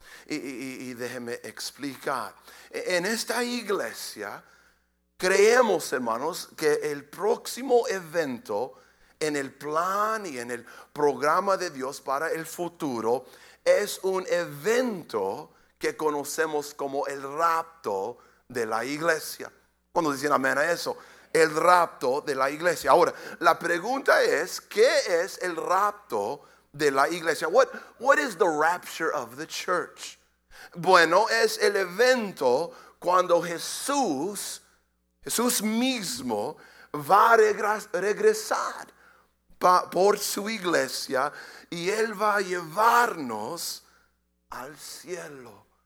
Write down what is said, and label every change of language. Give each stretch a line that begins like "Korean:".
Spanish: Y déjeme explicar. En esta iglesia creemos, hermanos, que el próximo evento en el plan y en el programa de Dios para el futuro es un evento que conocemos como el rapto de la iglesia. ¿Cuándo dicen amén a eso? El rapto de la iglesia. Ahora, la pregunta es: ¿qué es el rapto de la iglesia?
English: What is the rapture of the church?
Spanish: Bueno, es el evento cuando Jesús mismo va a regresar por su iglesia, y Él va a llevarnos al cielo.